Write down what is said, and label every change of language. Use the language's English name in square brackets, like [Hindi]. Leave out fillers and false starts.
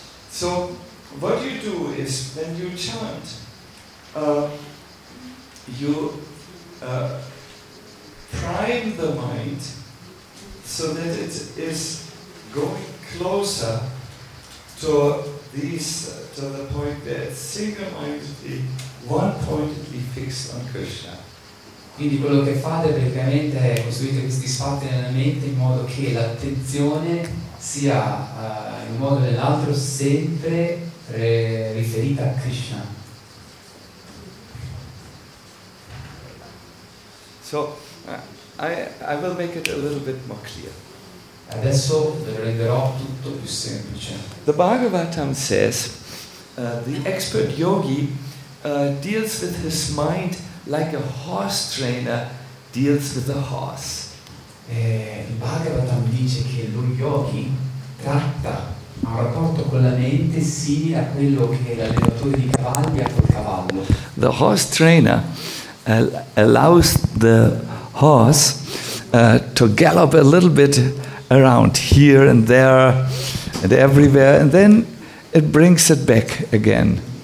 [English] So what you do is when you chant, you prime the mind so that it is going closer to these, to the point where it's single-mindedly, one-pointedly fixed on Krishna. [Italian] Quindi quello che fate praticamente è costruire questi spazi nella mente in modo che l'attenzione sia in un modo o nell'altro sempre riferita a Krishna. [English] So, I will make it a little bit more clear. [Italian] Adesso lo renderò tutto più semplice. [English] The Bhagavatam says the expert yogi deals with his mind like a horse trainer deals with a horse. [Italian] Il Bhagavatam dice che lo yogi tratta un rapporto con la mente simile a quello che l'allenatore di cavalli ha col cavallo. [English] The horse trainer allows the horse to gallop a little bit around here and there and everywhere, and then it brings it back again.